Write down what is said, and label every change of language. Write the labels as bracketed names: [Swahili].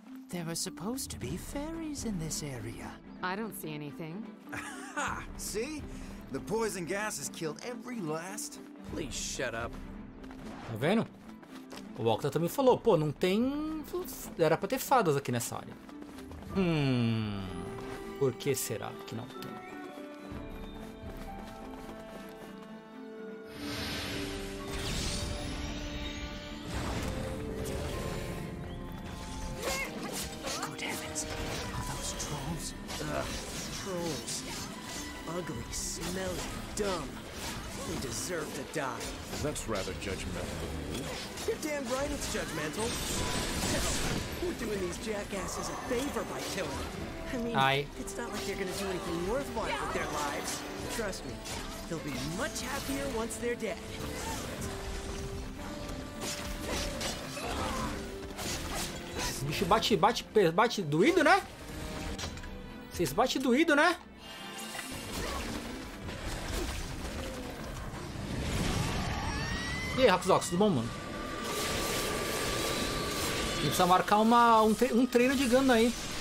[English] There are supposed to be fairies in this area. I don't see anything. See? The poison gas has killed every last. Please shut up. [Portuguese] Tá vendo? O Walker também falou, pô, não tem. Era pra ter fadas aqui nessa área. Por que será que não tem? [English] Ugly, smelly, dumb. We deserve to die. That's rather judgmental. You're damn right it's judgmental. We're doing these jackasses a favor by killing them. I mean, it's not like they're gonna do anything worthwhile with their lives. Trust me, they'll be much happier once they're dead. [Portuguese] Esse bicho bate doído, né? Vocês bate doído, né? E aí, Rockzox, tudo bom, mano? A gente precisa marcar um treino de gun aí.